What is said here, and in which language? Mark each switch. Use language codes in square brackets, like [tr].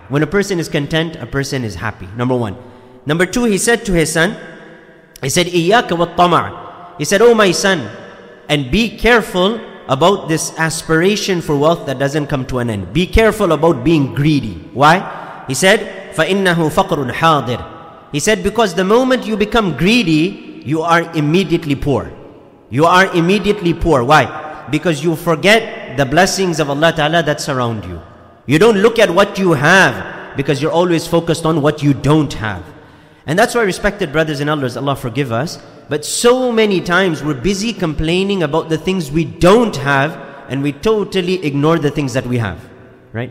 [en] When a person is content, a person is happy. Number one. Number two, he said to his son, he said, [ar] إِيَّاكَ وَالطَّمَعَ. [en] He said, oh my son, and be careful about this aspiration for wealth that doesn't come to an end. Be careful about being greedy. Why? He said, [ar] فَإِنَّهُ فَقْرٌ حَاضِرٌ. [en] He said, because the moment you become greedy, you are immediately poor. You are immediately poor. Why? Because you forget the blessings of Allah Ta'ala that surround you. You don't look at what you have, because you're always focused on what you don't have. And that's why, respected brothers and elders, Allah forgive us, but so many times we're busy complaining about the things we don't have, and we totally ignore the things that we have. Right?